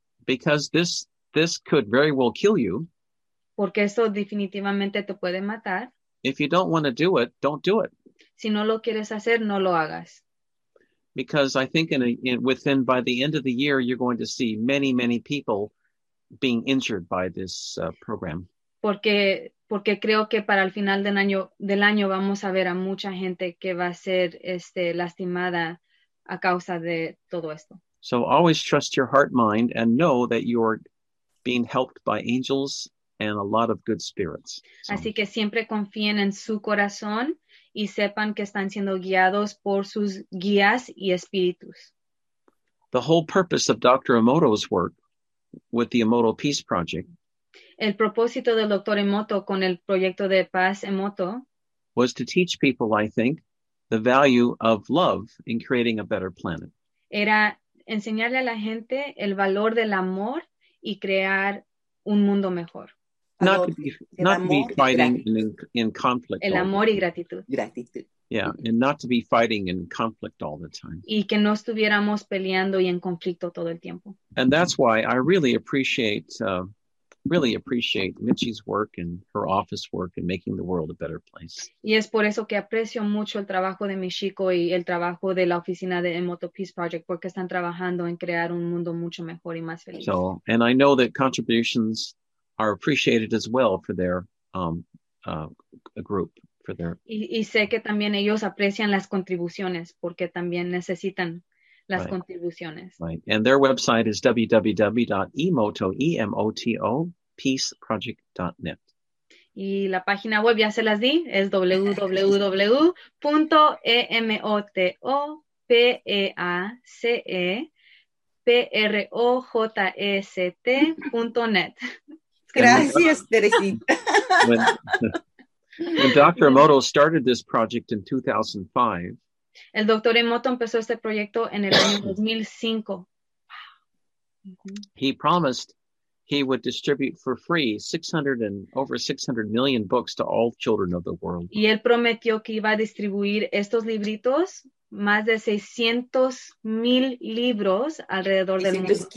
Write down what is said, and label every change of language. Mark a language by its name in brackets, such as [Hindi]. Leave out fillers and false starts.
[English] Because this could very well kill you. [Spanish] Porque eso definitivamente te puede matar. [English] If you don't want to do it, don't do it. [Spanish] Si no lo quieres hacer, no lo hagas. [English] Because I think within by the end of the year, you're going to see many, many people being injured by this program. [Spanish] Porque creo que para el final del año vamos a ver a mucha gente que va a ser lastimada a causa de todo esto. [English] So always trust your heart mind and know that you're being helped by angels. And a lot of good spirits. So. [Spanish] Así que siempre confíen en su corazón y sepan que están siendo guiados por sus guías y espíritus. [English] The whole purpose of Dr. Emoto's work with the Emoto Peace Project. [Spanish] El propósito del Dr. Emoto con el proyecto de paz Emoto. [English] Was to teach people, I think, the value of love in creating a better planet. [Spanish] Era enseñarle a la gente el valor del amor y crear un mundo mejor. [English] Not to be fighting in conflict. [Spanish] El amor y gratitud. Gratitud. [English] Yeah, and not to be fighting in conflict all the time. [Spanish] Y que no estuviéramos peleando y en conflicto todo el tiempo. [English] And that's why I really appreciate Michi's work and her office work and making the world a better place. [Spanish] Y es por eso que aprecio mucho el trabajo de Michiko y el trabajo de la oficina de Emoto Peace Project porque están trabajando en crear un mundo mucho mejor y más feliz. [English] So, and I know that contributions are appreciated as well for their group. [Spanish] Y sé que también ellos aprecian las contribuciones porque también necesitan las [English] right. [Spanish] contribuciones. [English] Right. And their website is www.emotopeaceproject.net. [Spanish] Y la página web, ya se las di, es www.emotopeaceproject.net. Gracias, Teresita. [English] When Dr. Emoto started this project in 2005, [Spanish] el Dr. Emoto empezó este proyecto en el año 2005. [English] He promised he would distribute for free 600 and over 600 million books to all children of the world. [Spanish] Y él prometió que iba a distribuir estos libritos, más de 600 mil libros alrededor del mundo.